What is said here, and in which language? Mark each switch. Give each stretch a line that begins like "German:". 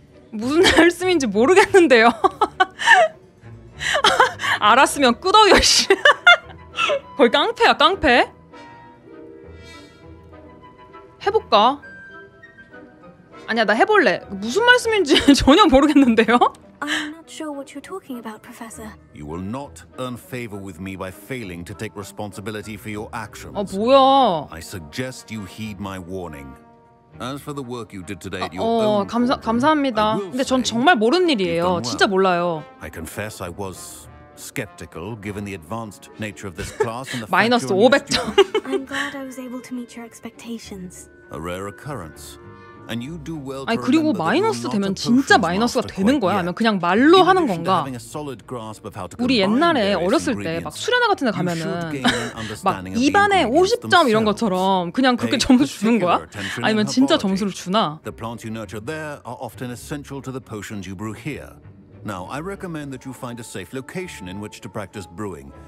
Korean: 무슨 말씀인지 모르겠는데요. 알았으면 끄덕여 씨. 거의 깡패야 깡패. 해볼까? 아니야 나 해볼래. 무슨 말씀인지 전혀 모르겠는데요.
English: I'm not sure what you're talking about, Professor. You will not earn favor with me by failing to take responsibility for your actions.
Korean: 아 뭐야?
English: I suggest you heed my warning. As for the work you did today,
Korean: 어 감사합니다. 근데 전 정말 모르는 일이에요. 진짜 몰라요.
English: I confess I was skeptical given the advanced nature of this class and the
Korean: -500점.
English: I'm glad I was able to meet your expectations. A rare occurrence. And you do well.
Korean: 아니 그리고 마이너스 되면 진짜 마이너스가 되는 거야? 아니면 그냥 말로 하는 건가? 우리 옛날에 어렸을 때 막 수련회 같은 데 가면은 막 입안에 50점 이런 것처럼 그냥 그렇게 점수 주는 거야? 아니면 진짜 점수를 주나?
English: The plants you nurture there are often essential to the potions you brew here. Now, I recommend that you find a safe location in which to practice brewing.